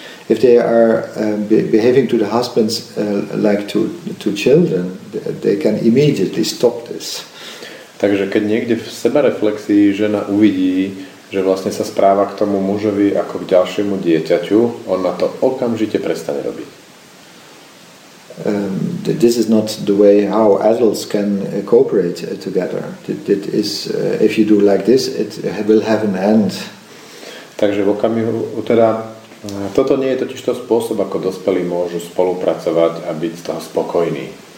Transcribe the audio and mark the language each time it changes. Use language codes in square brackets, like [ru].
[en] If they are behaving to the husbands like to children, they can immediately stop this. [sk] Takže keď niekde v sebareflexii žena uvidí, že vlastne sa správa k tomu mužovi ako k ďalšiemu dieťaťu, on na to okamžite prestane robiť. [en] This is not the way how adults can cooperate together. It is if you do like this, it will have an end. [sk] Takže v okamihu teda toto nie je totiž to spôsob, ako dospelí môžu spolupracovať a byť tam spokojní.